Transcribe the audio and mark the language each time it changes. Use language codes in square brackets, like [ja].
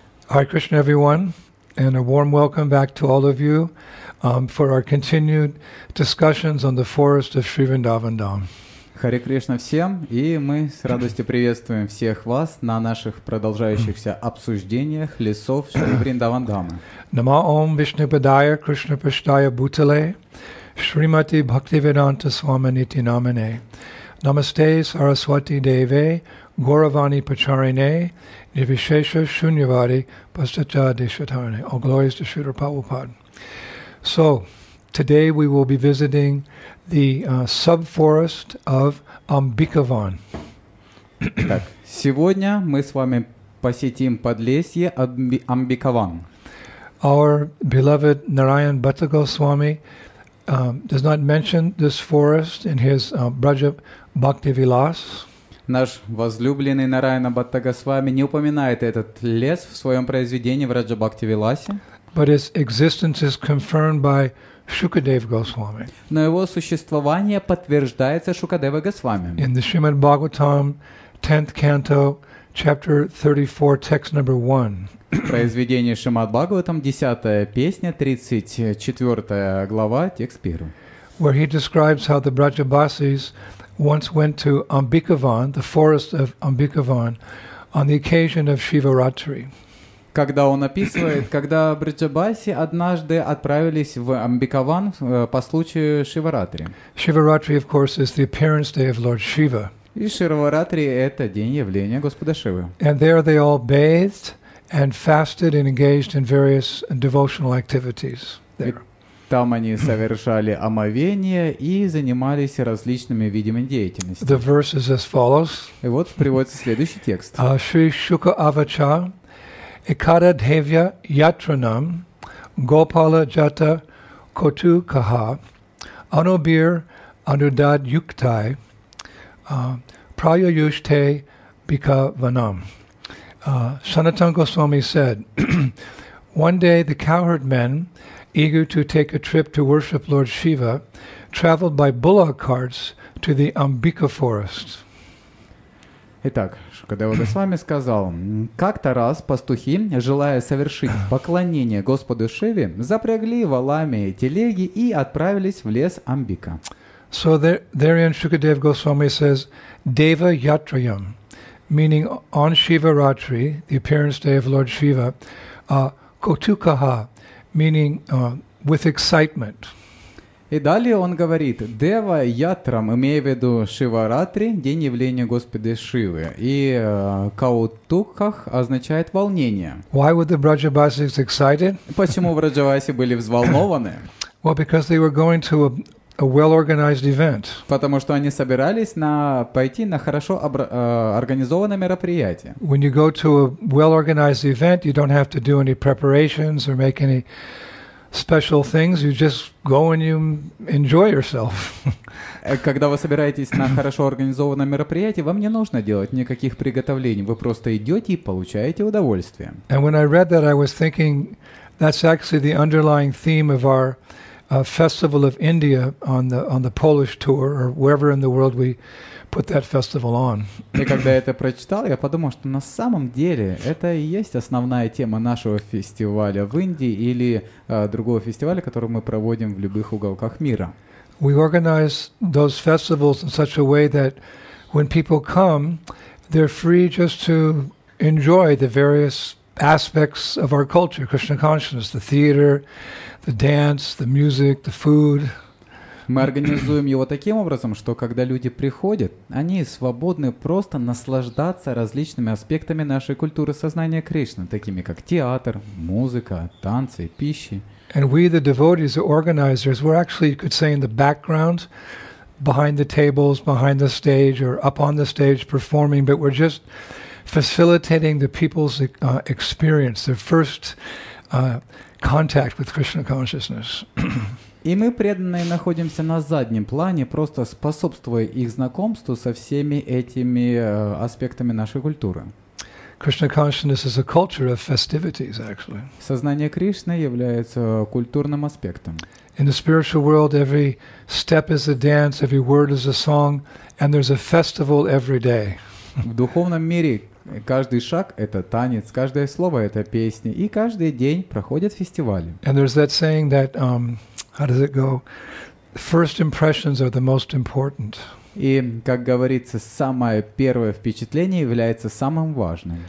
[en] Hare Krishna, everyone, and a warm welcome back to all of you for our continued discussions on the forest of Sri Vrindavan Dham. [ru] Hare Krishna всем, и мы с радостью приветствуем всех вас на наших продолжающихся обсуждениях лесов Шри Вриндаван Дхамы. [sa] Нама Ом Вишнупадая Кришна Паштая Бутале, Шримати Бхактивиданта Свамините Намине, Намасте Сарасвати Деве, Гуравани Пачарине, Нивишеша Шуньявади Пастача Дешатарине. [en] All glories to Śrīla Prabhupāda. So, today we will be visiting the sub-forest of Амбикаван. [ru] Так, сегодня мы с вами посетим подлесье Амбикаван. [en] Our beloved Narayan Bhatta Goswami does not mention this forest in his Braja Bhakti Vilas. [ru] Наш возлюбленный Нараяна Бхатта Госвами не упоминает этот лес в своем произведении в Раджа Бхакти Виласе. [en] But its existence is confirmed by Shukadeva Goswami. [ru] Но его существование подтверждается Шукадева Госвами. [en] In the Srimad Bhagavatam, 10th canto, chapter 34, text number 1. [ru] Произведение Шримад Бхагаватам, 10 песня, 34 глава, текст 1. [en] Where he describes how the Brajabasis once went to Амбикаван, the forest of Амбикаван, on the occasion of Шиваратри. [ru] Когда он описывает, когда Бриджабаси однажды отправились в Амбикаван по случаю Шиваратри. [en] Шиваратри, of course, is the appearance day of Lord Shiva. [ru] И Шиваратри – это день явления Господа Шивы. [en] And there they all bathed and fasted and engaged in various devotional activities there. [ru] Там они совершали омовение и занимались различными видами деятельности. [en] The verse is as follows. [ru] И вот приводится следующий текст. [sa] Шри Шука Авача, Экада Девья Ятранам, Гопала Джата Коту Каха, Анубир Анудад Юктай, Прайоюште Бика Ванам. [en] Санатан Госвами said, one day the cowherd men, eager to take a trip to worship Lord Shiva, traveled by bullock carts to the Амбика forest. [ru] Итак, Шукадева Госвами сказал, как-то раз пастухи, желая совершить поклонение Господу Шиве, запрягли валами телеги и отправились в лес Амбика. [en] So therein Shukadeva Goswami says, Deva Yatrayam, meaning on Shivaratri, the appearance day of Lord Shiva, Kotukaha, meaning with excitement. [ru] И далее он говорит, Дева Ятрам, имея в виду Шиваратри, день явления Господа Шивы. И Каутуках означает волнение. [en] Why were the Vrajavasis excited? [ru] Почему Vrajavasi были взволнованы? [en] Well, because they were going to a well-organized event. [ru] Потому что они собирались пойти на хорошо организованное мероприятие. [en] When you go to a well-organized event, you don't have to do any preparations or make any special things, you just go and you enjoy yourself. [ru] Когда вы собираетесь на хорошо организованное мероприятие, вам не нужно делать никаких приготовлений, вы просто идете и получаете удовольствие. [en] And when I read that, I was thinking that's actually the underlying theme of our festival of India on the Polish tour or wherever in the world we put that festival on. [ru] И когда я это прочитал, я подумал, что на самом деле это и есть основная тема нашего фестиваля в Индии или другого фестиваля, который мы проводим в любых уголках мира. [en] We organize those festivals in such a way that when people come, they're free just to enjoy the various aspects of our culture, Krishna consciousness, the theater, the dance, the music, the food. [ru] Мы организуем его таким образом, что когда люди приходят, они свободны просто наслаждаться различными аспектами нашей культуры сознания Кришны, такими как театр, музыка, танцы, пища. [en] And we, the devotees, the organizers, we're actually, you could say, in the background, behind the tables, behind the stage, or up on the stage performing, but we're just facilitating the people's experience, their first contact with Krishna consciousness. [ru] И мы, преданные, находимся на заднем плане, просто способствуя их знакомству со всеми этими аспектами нашей культуры. [en] Krishna consciousness is a culture of festivities, actually. [ru] Сознание Кришны является культурным аспектом. [en] In the spiritual world, every step is a dance, every word is a song, and there's a festival every day. [ru] В духовном мире Каждый шаг — это танец, каждое слово — это песня, и каждый день проходят фестивали. [en] And there's that saying that, how does it go? First impressions are the most important. [ru] И, как говорится, самое первое впечатление является самым важным.